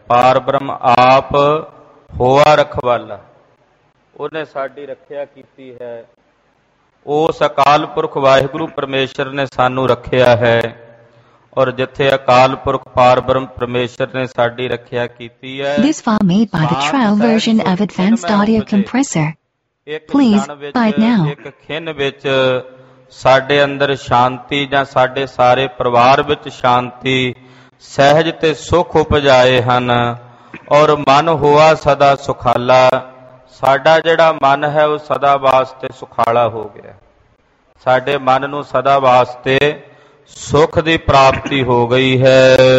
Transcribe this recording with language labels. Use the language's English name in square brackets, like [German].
[Punjabi] ਪਾਰ ਬ੍ਰਹਮ ਆਪ ਹੋਆ ਰਖਵਾਲਾ, ਉਹਨੇ ਸਾਡੀ ਰੱਖਿਆ ਕੀਤੀ ਹੈ। ਉਸ ਅਕਾਲ ਪੁਰਖ ਵਾਹਿਗੁਰੂ ਪਰਮੇਸ਼ਰ ਨੇ ਸਾਨੂੰ ਰੱਖਿਆ ਹੈ, ਔਰ ਜਿੱਥੇ ਅਕਾਲ ਪੁਰਖ ਪਾਰ ਬ੍ਰਹਮ ਪਰਮੇਸ਼ਰ ਨੇ ਸਾਡੀ ਰੱਖਿਆ ਕੀਤੀ ਹੈ। [English] This file made by the trial version of Advanced Audio Compressor. Please buy it now. [Punjabi] ਇੱਕ ਖਿੰਨ ਵਿੱਚ ਸਾਡੇ ਅੰਦਰ ਸ਼ਾਂਤੀ ਜਾਂ ਸਾਡੇ ਸਾਰੇ ਪਰਿਵਾਰ ਵਿੱਚ ਸ਼ਾਂਤੀ, ਸਹਿਜ ਤੇ ਸੁਖ ਉਪਜਾਏ ਹਨ, ਔਰ ਮਨ ਹੋਆ ਸਦਾ ਸੁਖਾਲਾ। ਸਾਡਾ ਜਿਹੜਾ ਮਨ ਹੈ ਉਹ ਸਦਾ ਵਾਸਤੇ ਸੁਖਾਲਾ ਹੋ ਗਿਆ, ਸਾਡੇ ਮਨ ਨੂੰ ਸਦਾ ਵਾਸਤੇ ਸੁਖ ਦੀ ਪ੍ਰਾਪਤੀ ਹੋ ਗਈ ਹੈ।